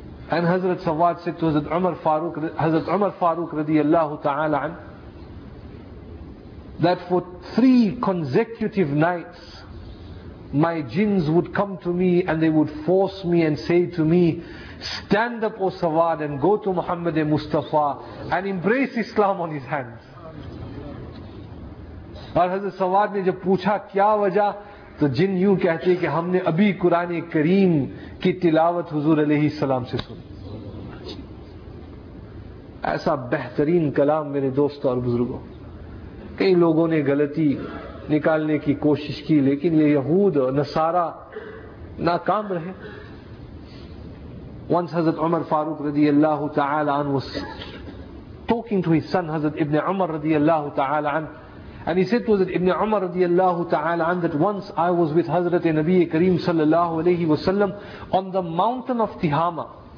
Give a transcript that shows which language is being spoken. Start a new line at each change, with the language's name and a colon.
English: And Hazrat Sawad said to Hazrat Umar Farooq, Hazrat Umar Farooq radiallahu ta'ala an, that for 3 consecutive nights, my jinns would come to me and they would force me and say to me, stand up, O Sawad, and go to Muhammad Mustafa and embrace Islam on his hands.
Urdu: اور حضرت سواد نے جب پوچھا کیا وجہ, تو جن یوں کہتے کہ ہم نے ابھی قرآن کریم کی تلاوت حضور علیہ السلام سے سن. ایسا بہترین کلام میرے دوست اور بزرگوں. کئی لوگوں نے غلطی نکالنے کی کوشش کی لیکن یہ یہود اور نصارہ ناکام رہے.
English: Once Hazrat Umar Farooq رضی اللہ تعالی عنہ was talking to his son Hazrat Ibn Umar رضی اللہ تعالی عنہ, and he said to Hazrat Ibn Umar radiallahu ta'ala an, that once I was with Hazrat Nabi Kareem sallallahu alayhi wa sallam on the mountain of Tihama,